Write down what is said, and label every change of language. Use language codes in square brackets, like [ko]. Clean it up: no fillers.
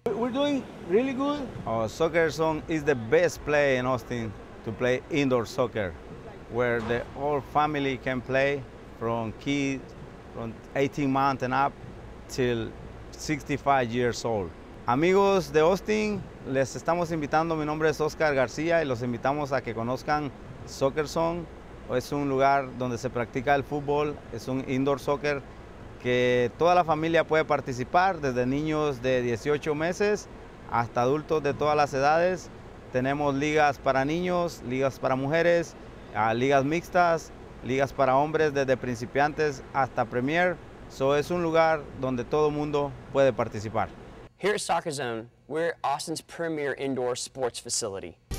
[en] We're doing really good. Soccer Zone is the best play in Austin to play indoor soccer, where the whole family can play from kids from 18 months and up till 65 years old. [es] Amigos de Austin, les estamos invitando. Mi nombre es Oscar García y los invitamos a que conozcan Soccer Zone. Es un lugar donde se practica el fútbol, es un [en] indoor soccer [es] que toda la familia puede participar, desde niños de 18 meses hasta adultos de todas las edades. Tenemos ligas para niños, ligas para mujeres, ligas mixtas, ligas para hombres desde principiantes hasta premier. So es un lugar donde todo mundo puede participar. [en] Here at Soccer Zone, we're Austin's premier indoor sports facility.